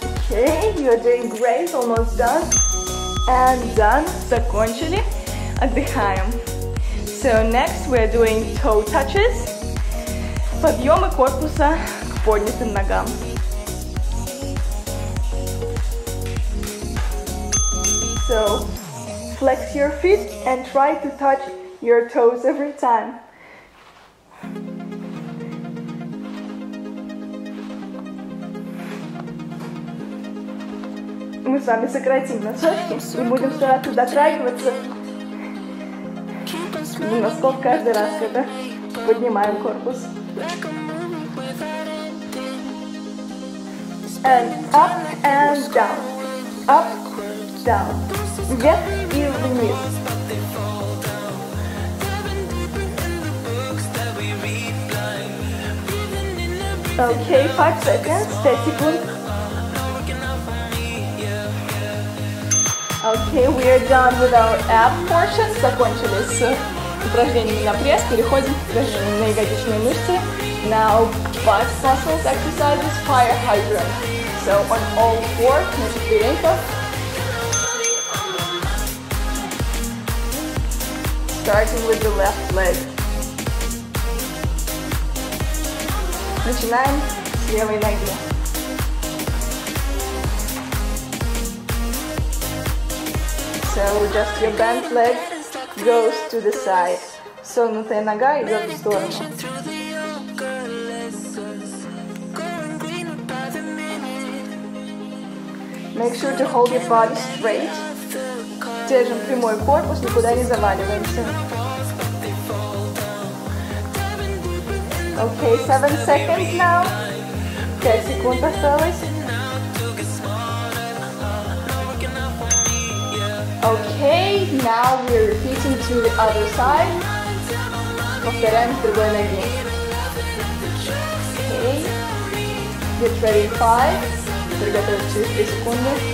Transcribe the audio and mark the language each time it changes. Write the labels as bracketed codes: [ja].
[en] Okay, you're doing great, almost done. And done, [ru] закончили. Отдыхаем. [en] So next we're doing toe touches. [ru] Подъемы корпуса к поднятым ногам. [en] So, flex your feet and try to touch your toes every time. [ru] Мы с вами сократим носочки и будем стараться дотрагиваться до носков каждый раз, когда поднимаем корпус. [en] And up and down, up, down, [ru] вверх и вниз. [en] Okay, 5 seconds, [ru] 5 секунд. [en] Okay, we are done with our ab portion. [ru] Закончили с упражнениями на пресс. Переходим к упражнениям на ягодичные мышцы. [en] Now, butt muscles exercises, fire hydrant. So, on all four, [ru] мышцы передника. [en] Starting with the left leg. [ru] Начинаем с левой ноги. [en] So just your bent leg goes to the side. [ru] So согнутая нога идет в сторону. [en] Make sure to hold your body straight. [ru] Держим прямой корпус, никуда не заваливаемся. [en] Okay, 7 seconds now. [ru] 5 секунд осталось. [en] Okay, now we're repeating to the other side. [ru] Повторяем с другой ноги. [en] Okay, get ready in 5. [ru] Приготовьте 3 секунды.